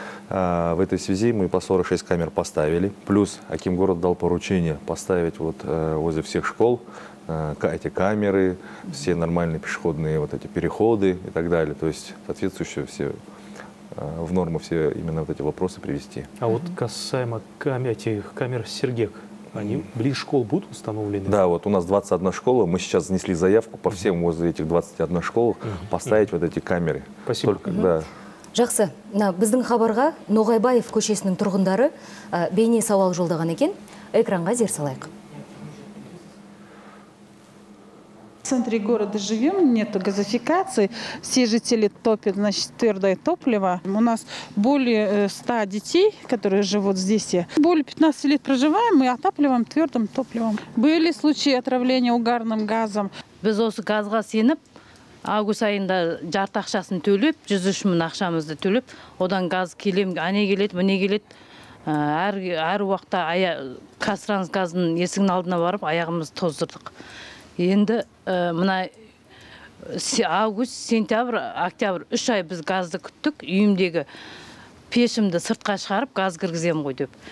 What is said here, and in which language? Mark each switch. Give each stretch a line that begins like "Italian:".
Russian: В этой связи мы по 46 камер поставили, плюс акимгород дал поручение поставить вот возле всех школ эти камеры, все нормальные пешеходные вот эти переходы и так далее, то есть соответствующие все в норму все именно вот эти вопросы привести. А вот касаемо камер Сергек, они ближе школ будут установлены? Да, вот у нас 21 школа, мы сейчас занесли заявку по всем возле этих 21 школ поставить вот эти камеры. Спасибо. Только, да.
Kazakh: Жақсы, біздің хабарға Ноғайбаев көшесінің тұрғындары бейне сауал жолдаған екен. Экранға зер салайық.
Russian: В центре города живем, нет газификации. Все жители топят, значит, твердое топливо. У нас более 100 детей, которые живут здесь. Более 15 лет проживаем, мы отапливаем твердым топливом. Были случаи отравления угарным газом.
Kazakh: Біз осы газға сеніп, август айында жарты ақшасын төліп, 103 мін ақшамызды төліп, одан газ келем, ане келет, мене келет. Әр уақытта қасыраңыз газын есігін алдына барып, аяғымыз тоздырдық. Енді мұна август, сентябр, октябр 3 ай біз газды күттік, үйімдегі пешімді сыртқа шығарып, газ кіргізем ғой деп.